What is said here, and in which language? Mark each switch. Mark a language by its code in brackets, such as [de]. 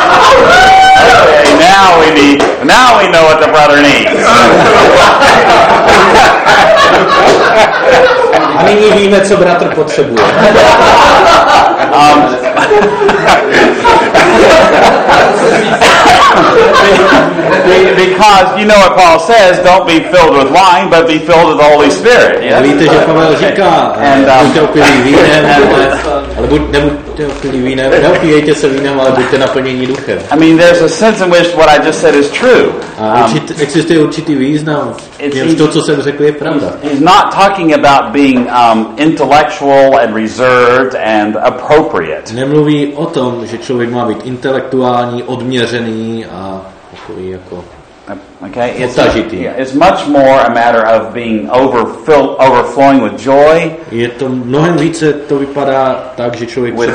[en] Okay, now we know what the brother needs. [cs] A nyní víme, co bratr potřebuje. [en] Because you know what Paul says, don't be filled with wine, but be filled with the Holy Spirit. Yes? [cs] Víte, že Pavel říká, buďte opilí vínem, ale nebuďte opilí vínem, neopíjejte se vínem, ale buďte naplnění duchem. [en] I mean, there's a sense in which what I just said is true. [cs] Existuje určitý význam, to, co jsem řekl, je pravda. [en] He's not talking about being intellectual and reserved and appropriate. [cs] Nemluví o tom, že člověk má být intelektuální, odměřený a takový jako... [en] Okay, it's much more a matter of being overflowing with joy. [cs] Je to mnohem více, to vypadá tak, že člověk